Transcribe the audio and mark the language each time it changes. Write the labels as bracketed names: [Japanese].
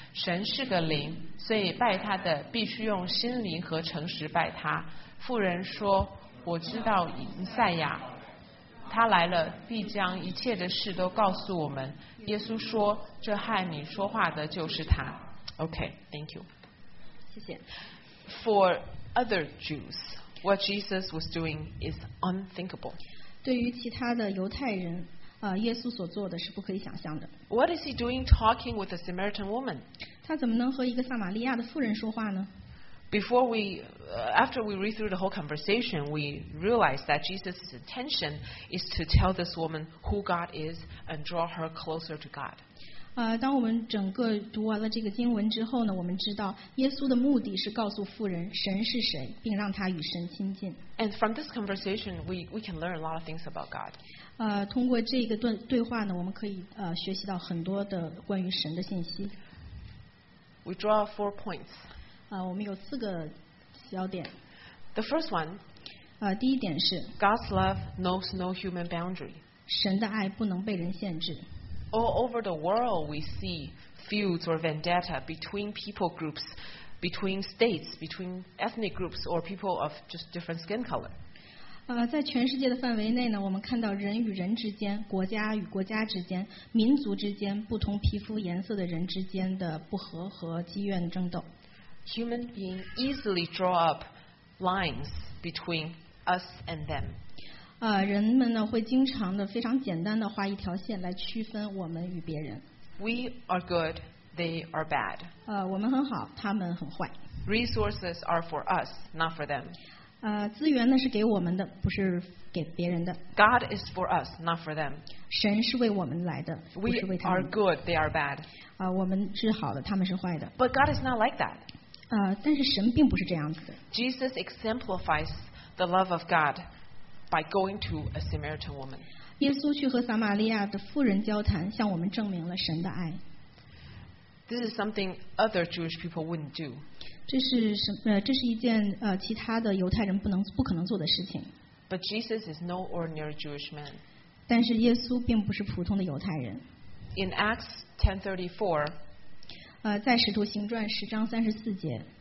[Chinese] 神是个灵，所以拜他的必须用心灵和诚实拜他。妇人说，我知道以赛亚，他来了必将一切的事都告诉我们。耶稣说，这和你说话的就是他。 [English] OK, thank you. [Chinese] 谢谢。 [English] For other Jews, what Jesus was doing is unthinkable. [Chinese] 对于其他的犹太人，耶稣所做的是不可以想象的。 [English] What is he doing talking with a Samaritan woman? [Chinese] 他怎么能和一个撒玛利亚的妇人说话呢？ [English] Before we, after we read through the whole conversation, we realize that Jesus' intention is to tell this woman who God is and draw her closer to God. [Chinese] 当我们整个读完了这个经文之后呢，我们知道耶稣的目的是告诉妇人神是谁，并让她与神亲近。 [English] And from this conversation, we can learn a lot of things about God. [Chinese] 通过这个对话呢，我们可以学习到很多的关于神的信息。 [English] We draw four points. [Chinese] 我们有四个小点。 [English] The first one, [Chinese] 第一点是 [English] God's love knows no human boundary. [Chinese] 神的爱不能被人限制。 [English] All over the world, we see feuds or vendetta between people groups, between states, between ethnic groups, or people of just different skin color. [Chinese] 在全世界的范围内呢，我们看到人与人之间、国家与国家之间、民族之间、不同皮肤颜色的人之间的不和和积怨争斗。 [English] Human beings easily draw up lines between us and them. [Chinese] 人们呢会经常的非常简单的画一条线来区分我们与别人。 [English] We are good, they are bad. [Chinese] 我们很好，他们很坏。 [English] Resources are for us, not for them. [Chinese] 资源呢是给我们的，不是给别人的。 [English] God is for us, not for them. [Chinese] 神是为我们来的，不是为他们。 [English] We are good, they are bad. [Chinese] 我们是好的，他们是坏的。 [English] But God is not like that. [Chinese] 但是神并不是这样子的。 [English] Jesus exemplifies the love of God by going to a Samaritan woman. [Chinese] 耶稣去和撒玛利亚的妇人交谈，向我们证明了神的爱。 [English] This is something other Jewish people wouldn't do. [Chinese] 这是一件其他的犹太人不可能做的事情。 [English] But Jesus is no ordinary Jewish man. [Chinese] 但是耶稣并不是普通的犹太人。 [English] In Acts 10:34. [Chinese] 在使徒行传十章三十四节。